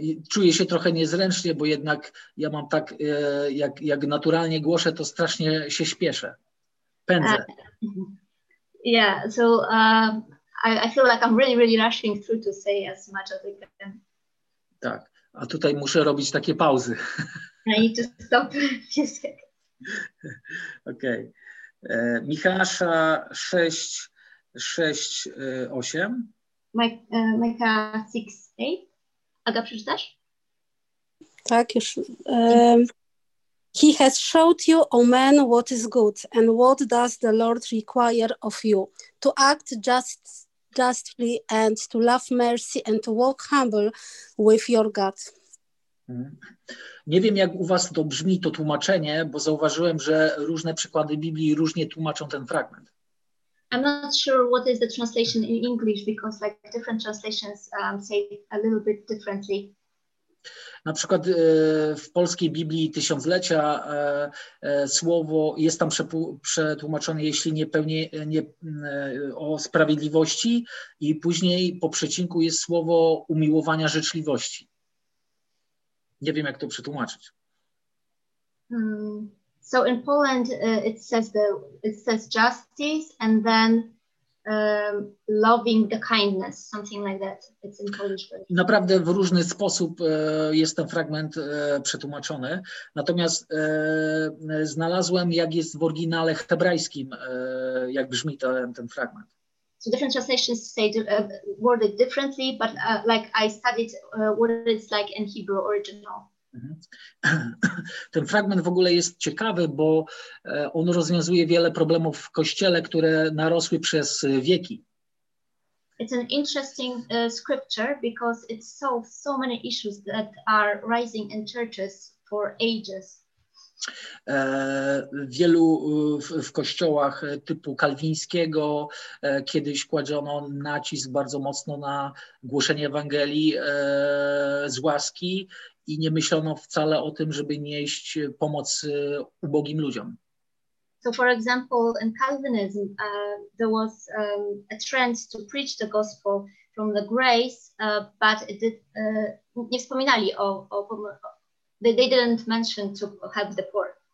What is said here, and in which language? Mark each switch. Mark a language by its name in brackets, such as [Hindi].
[Polish] Czuję się trochę niezręcznie, bo jednak ja mam tak, jak naturalnie głoszę, to strasznie się śpieszę, pędzę. [English] I feel like I'm really, really rushing through to say as much as I can. [Polish] Tak, a tutaj muszę robić takie pauzy. [English] I need to stop. [Polish] Okej. Michała 6, 6, 8. [English] Micaiah 6, 8. Aga, [Polish] przeczytasz? Tak, już. [English] He has showed you, O man, what is good, and what does the Lord require of you? To act justly and to love mercy and to walk humble with your God. [Polish] Nie wiem, jak u was to brzmi, to tłumaczenie, bo zauważyłem, że różne przykłady Biblii różnie tłumaczą ten fragment. [English] I'm not sure what is the translation in English, because like different translations say a little bit differently. [Polish] Na przykład w polskiej Biblii Tysiąclecia słowo jest tam przetłumaczone, jeśli nie pełni nie, o sprawiedliwości, i później po przecinku jest słowo umiłowania życzliwości. Nie wiem, jak to przetłumaczyć. [English] So in Poland it says justice and then loving the kindness, something like that. It's in Polish version. [Polish] Naprawdę w różny sposób jest ten fragment przetłumaczony. Natomiast znalazłem, jak jest w oryginale hebrajskim, jak brzmi ten fragment. [English] So different translations say worded differently, but like I studied what it's like in Hebrew original. [Polish] Ten fragment w ogóle jest ciekawy, bo on rozwiązuje wiele problemów w kościele, które narosły przez wieki. [English] It's an interesting scripture because it solves so many issues that are rising in churches for ages. [Polish] Wielu w kościołach typu kalwińskiego kiedyś kładziono nacisk bardzo mocno na głoszenie Ewangelii z łaski. I nie myślono wcale o tym, żeby nieść pomoc ubogim ludziom. [English] So for example, in Calvinism there was a trend to preach the gospel from the grace, but it did, [Polish] nie wspominali o [English] they didn't mention to help the poor.